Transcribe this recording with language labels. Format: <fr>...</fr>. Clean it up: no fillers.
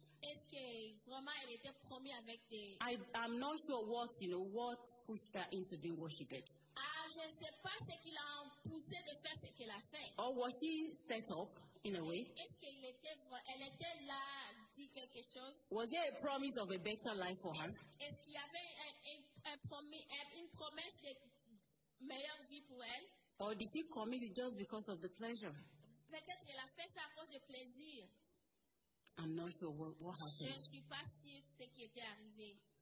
<fr>Est-ce que vraiment elle était promise avec des...</fr> <en>I'm not sure what, you know, what pushed her into doing what she did.</en> <fr>Ah, je sais pas ce qui l'a poussé de faire ce qu'elle a fait.</fr> <en>Or was she set up in a way?</en> <fr>Est-ce qu'elle était, elle était là, dit quelque chose?</fr> <en>Was there a promise of a better life for her?</en> <fr>Est-ce qu'il y avait une promesse de meilleure vie pour elle?</fr> <en>Or did she commit it just because of the pleasure?</en> <fr>Peut-être qu'elle a fait ça à cause de plaisir.</fr> <en>I'm not sure what happened.</en> <fr>Je ne suis pas sûre ce qui était arrivé.</fr>